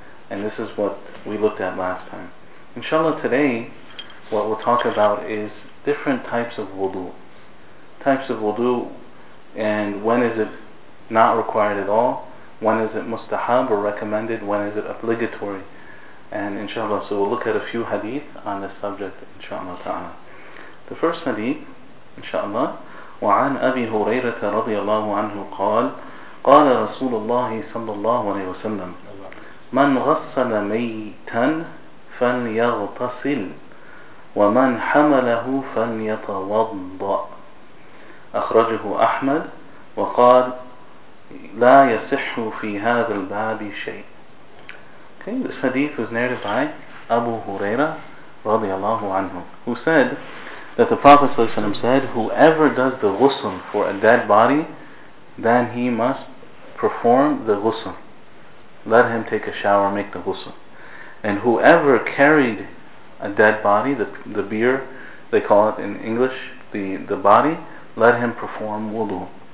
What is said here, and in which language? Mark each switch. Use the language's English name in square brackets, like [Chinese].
[English] And this is what we looked at last time. Inshallah, today what we'll talk about is different types of wudu. Types of wudu, and when is it not required at all, when is it mustahab or recommended, when is it obligatory. And inshallah, so we'll look at a few hadith on this subject, inshallah ta'ala. The first hadith, inshallah, [Arabic] وعن أبي هريرة رضي الله عنه قال قال رسول الله صلى الله عليه وسلم من غسل ميتا فليغتسل ومن حمله فليتوضأ. أخرجه أحمد وقال لا يصح في هذا الباب شيء. [English] Okay, this hadith was narrated by Abu Huraira [Arabic] رضي الله عنه, [English] who said that the Prophet ﷺ said, whoever does the ghusl for a dead body, then he must perform the ghusl. Let him take a shower, make the ghusl. And whoever carried a dead body, the bier, they call it in English, the body, let him perform wudu.